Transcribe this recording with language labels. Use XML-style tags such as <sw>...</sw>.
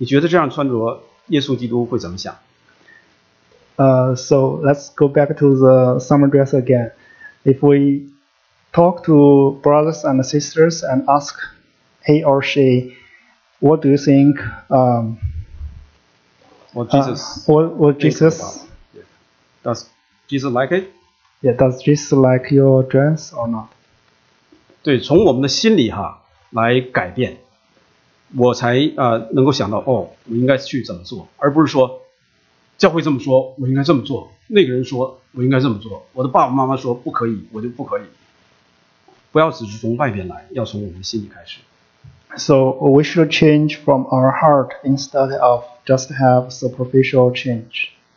<zh>所以在刚才讲到穿着这件事情上，假如说我们告诉我们弟兄姊妹，你觉得这样穿着，耶稣基督会怎么想？</zh> <en>So let's go back to the summer dress again. If we talk to brothers and sisters and ask he or she, what do you think? Does Jesus like it? Yeah, does Jesus like your dress or not?</en> <zh>对，从我们的心里哈来改变，我才能够想到哦，我应该去怎么做，而不是说。教会这么说，我应该这么做。那个人说，我应该这么做。我的爸爸妈妈说不可以，我就不可以。不要只是从外边来，要从我们心里开始。So</zh> <en>we should change from our heart instead of just have superficial change.</en>